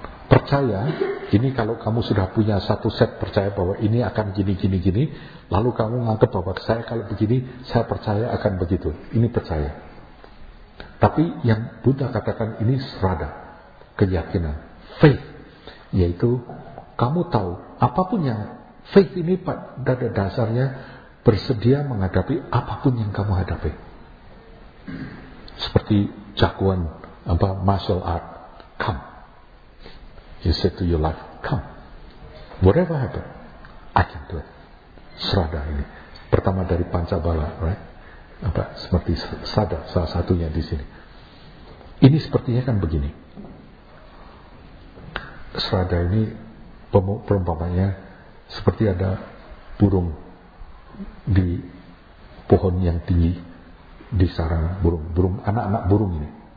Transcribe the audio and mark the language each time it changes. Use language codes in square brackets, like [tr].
[id] Percaya, ini kalau kamu sudah punya satu set percaya bahwa ini akan gini, lalu kamu menganggap bahwa saya kalau begini, saya percaya akan begitu. Ini percaya. Tapi yang Buddha katakan ini srada, keyakinan, faith. Yaitu, kamu tahu, apapun yang faith ini pada dasarnya, bersedia menghadapi apapun yang kamu hadapi. Seperti jagoan apa [en] martial art, come. You said to your life, come. whatever happen, I can do it. [id] Serada ini, pertama dari pancabala, right? Apa seperti sada salah satunya di sini. Ini sepertinya kan begini. Serada ini perumpamannya seperti ada burung di pohon yang tinggi di sarang burung, burung anak-anak burung ini.